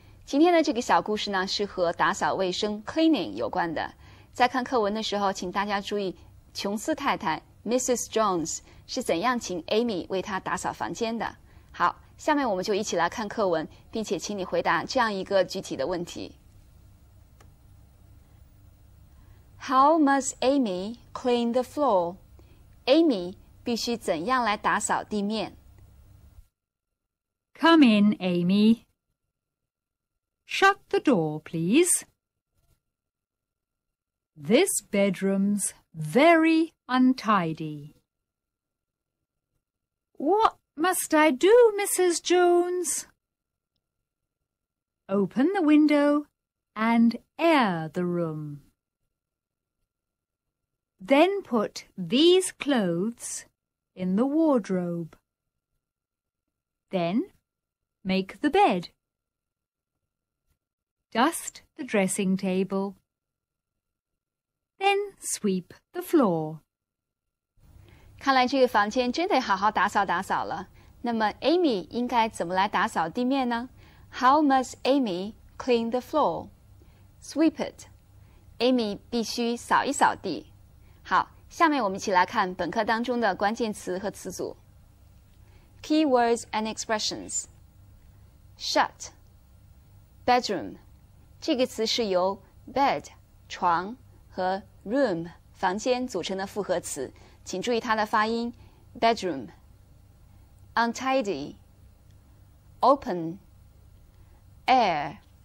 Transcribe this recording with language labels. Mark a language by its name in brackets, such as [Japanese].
[Chinese] 今天的这个小故事呢是和打扫卫生 cleaning 有关的。在看课文的时候，请大家注意琼斯太太 Mrs. Jones 是怎样请 Amy 为她打扫房间的。好，下面我们就一起来看课文，并且请你回答这样一个具体的问题。 [English] How must Amy clean the floor? [Chinese] Amy 必须怎样来打扫地面? [English] Come in, Amy. Shut the door, please. This bedroom's very untidy. What must I do, Mrs. Jones? Open the window and air the room. Then put these clothes in the wardrobe. Then make the bed. Dust the dressing table. Then sweep the floor. [Chinese] 看来这个房间真得好好打扫打扫了。那么 Amy 应该怎么来打扫地面呢? [English] How must Amy clean the floor? Sweep it. [Chinese] Amy 必须扫一扫地。好，下面我们一起来看本课当中的关键词和词组。 [English] Keywords and expressions. Shut. Bedroom. [Chinese] 这个词是由 bed, 床和 room, 房间组成的复合词。请注意它的发音 bedroom. [English] Untidy. Open. Air.